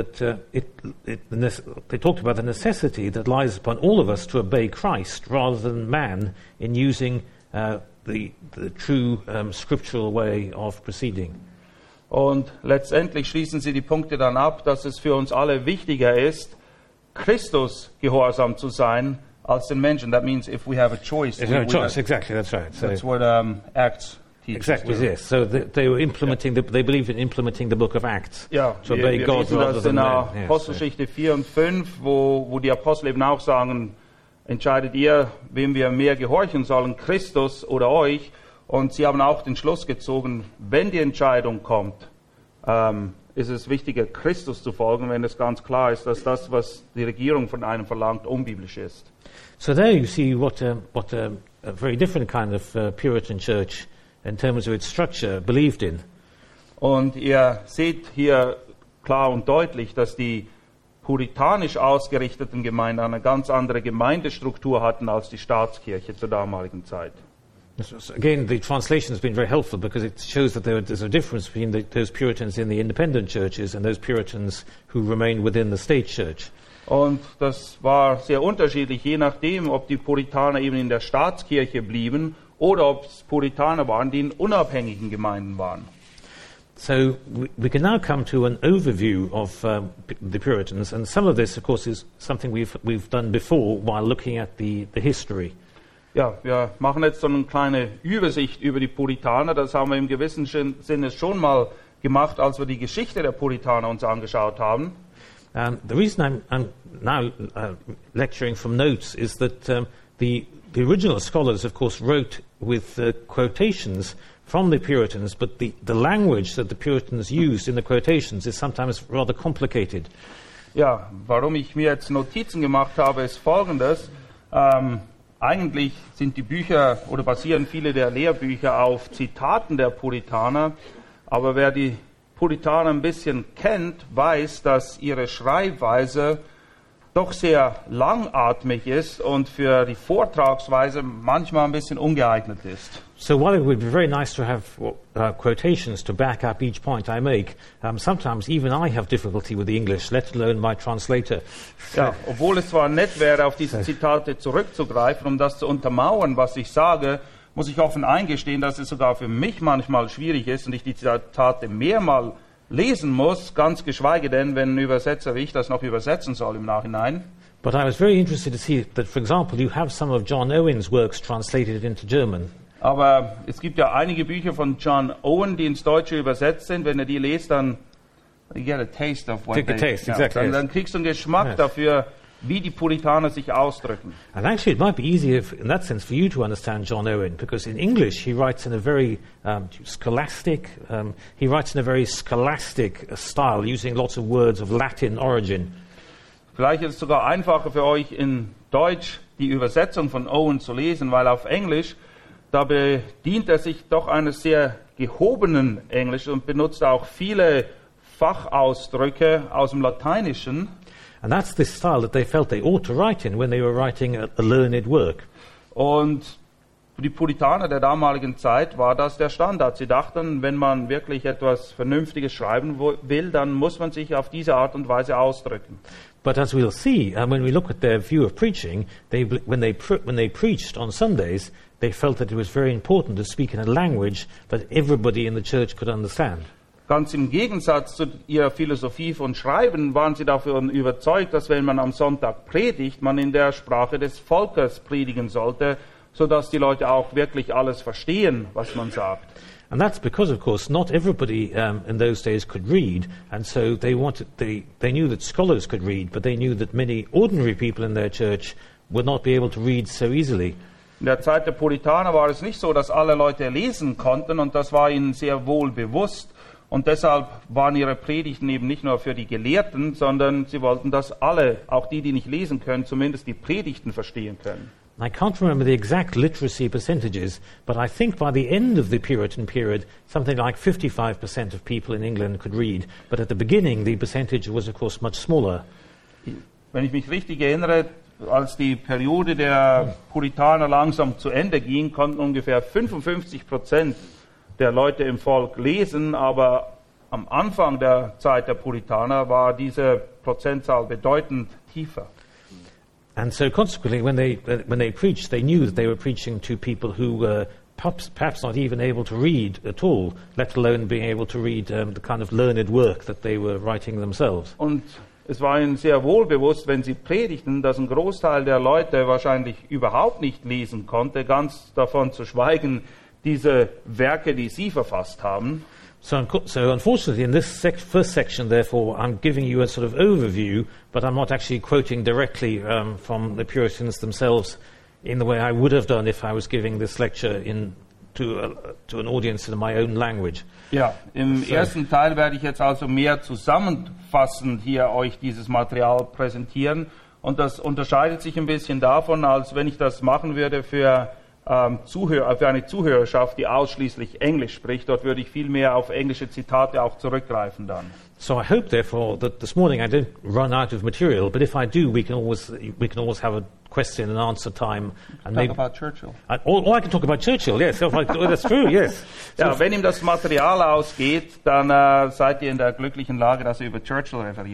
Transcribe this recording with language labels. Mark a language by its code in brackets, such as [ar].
[en] And then finally they talked about the necessity that lies upon all of us to obey Christ rather than man in using the true scriptural way of proceeding. [de] Und letztendlich schließen sie die Punkte dann ab, dass es für uns alle wichtiger ist, Christus gehorsam zu sein als den Menschen. [en] That means if we have a choice. Exactly, that's right. So that's what Acts teaches. Exactly, well. Yes. So they were implementing, yeah. They believe in implementing the book of Acts. Yeah, to obey God rather than men. [de] Apostelgeschichte 4 und 5, wo die Apostel eben auch sagen, entscheidet ihr, wem wir mehr gehorchen sollen, Christus oder euch? Und sie haben auch den Schluss gezogen, wenn die Entscheidung kommt, ist es wichtiger, Christus zu folgen, wenn es ganz klar ist, dass das, was die Regierung von einem verlangt, unbiblisch ist. [en] So there you see what a very different kind of Puritan church in terms of its structure believed in. [de] Und ihr seht hier klar und deutlich, dass die puritanisch ausgerichteten Gemeinden eine ganz andere Gemeindestruktur hatten als die Staatskirche zur damaligen Zeit. [en] Again, the translation has been very helpful because it shows that there's a difference between those Puritans in the independent churches and those Puritans who remain within the state church. [de] Und das war sehr unterschiedlich, je nachdem, ob die Puritaner eben in der Staatskirche blieben oder ob es Puritaner waren, die in unabhängigen Gemeinden waren. [en] So we can now come to an overview of the Puritans, and some of this, of course, is something we've done before while looking at the history. [de] Ja, wir machen jetzt so eine kleine Übersicht über die Puritaner. Das haben wir im gewissen Sinne schon mal gemacht, als wir die Geschichte der Puritaner uns angeschaut haben. [en] The reason I'm now lecturing from notes is that the original scholars, of course, wrote with quotations from the Puritans, but the language that the Puritans used in the quotations is sometimes rather complicated. [de] Ja, warum ich mir jetzt Notizen gemacht habe, ist folgendes. Eigentlich sind die Bücher oder basieren viele der Lehrbücher auf Zitaten der Puritaner, aber wer die Puritaner ein bisschen kennt, weiß, dass ihre Schreibweise doch sehr langatmig ist und für die Vortragsweise manchmal ein bisschen ungeeignet ist. [en] So while it would be very nice to have quotations to back up each point I make, sometimes even I have difficulty with the English, let alone my translator. [de] Ja, obwohl es zwar nett wäre, auf diese Zitate zurückzugreifen, um das zu untermauern, was ich sage, muss ich offen eingestehen, dass es sogar für mich manchmal schwierig ist und ich die Zitate mehrmal lesen muss, ganz geschweige denn, wenn ein Übersetzer wie ich das noch übersetzen soll im Nachhinein. [en] But I was very interested to see that, for example, you have some of John Owen's works translated into German. [de] Aber es gibt ja einige Bücher von John Owen, die ins Deutsche übersetzt sind. Wenn ihr die lest, dann [en] get a taste of what take they a taste, know. Exactly. [de] Dann kriegst du einen Geschmack dafür, wie die Puritaner sich ausdrücken. [en] And actually, it might be easier in that sense for you to understand John Owen, because in English he writes in a very scholastic style, using lots of words of Latin origin. [de] Vielleicht ist es sogar einfacher für euch, in Deutsch die Übersetzung von Owen zu lesen, weil auf Englisch da bedient er sich doch eines sehr gehobenen Englisch und benutzt auch viele Fachausdrücke aus dem Lateinischen. [en] And that's the style that they felt they ought to write in when they were writing a learned work. [de] Und für die Puritaner der damaligen Zeit war das der Standard. Sie dachten, wenn man wirklich etwas Vernünftiges schreiben will, dann muss man sich auf diese Art und Weise ausdrücken. [en] But as we'll see, when we look at their view of preaching, when they preached on Sundays, they felt that it was very important to speak in a language that everybody in the church could understand. [de] Ganz im Gegensatz zu ihrer Philosophie von Schreiben waren sie davon überzeugt, dass wenn man am Sonntag predigt, man in der Sprache des Volkes predigen sollte, sodass die Leute auch wirklich alles verstehen, was man sagt. [en] And that's because, of course, not everybody in those days could read, and so they knew that scholars could read, but they knew that many ordinary people in their church would not be able to read so easily. [de] In der Zeit der Puritaner war es nicht so, dass alle Leute lesen konnten, und das war ihnen sehr wohl bewusst. Und deshalb waren ihre Predigten eben nicht nur für die Gelehrten, sondern sie wollten, dass alle, auch die, die nicht lesen können, zumindest die Predigten verstehen können. [en] I can't remember the exact literacy percentages, but I think by the end of the Puritan period, something like 55% of people in England could read. But at the beginning, the percentage was, of course, much smaller. [de] Wenn ich mich richtig erinnere, als die Periode der Puritaner langsam zu Ende ging, konnten ungefähr 55% der Leute im Volk lesen, aber am Anfang der Zeit der Puritaner war diese Prozentzahl bedeutend tiefer. [en] And so consequently, when they preached, they knew that they were preaching to people who were perhaps not even able to read at all, let alone being able to read the kind of learned work that they were writing themselves. [de] Und es war ihnen sehr wohl bewusst, wenn sie predigten, dass ein Großteil der Leute wahrscheinlich überhaupt nicht lesen konnte, ganz davon zu schweigen, diese Werke, die sie verfasst haben. [en] So unfortunately, in this first section, therefore, I'm giving you a sort of overview, but I'm not actually quoting directly from the Puritans themselves in the way I would have done if I was giving this lecture to an audience in my own language. [de] Ja, im ersten Teil werde ich jetzt also mehr zusammenfassend hier euch dieses Material präsentieren, und das unterscheidet sich ein bisschen davon, als wenn ich das machen würde für eine Zuhörerschaft, die ausschließlich Englisch spricht. Dort würde ich viel mehr auf englische Zitate auch zurückgreifen dann. [en] So I hope therefore that this morning I don't run out of material, but if I do, we can always have a question and answer time. And talk about Churchill. I can talk about Churchill, yes. That's true, yes. So [de] ja, wenn ihm das Material ausgeht, dann seid ihr in der glücklichen Lage, dass ihr über Churchill referieren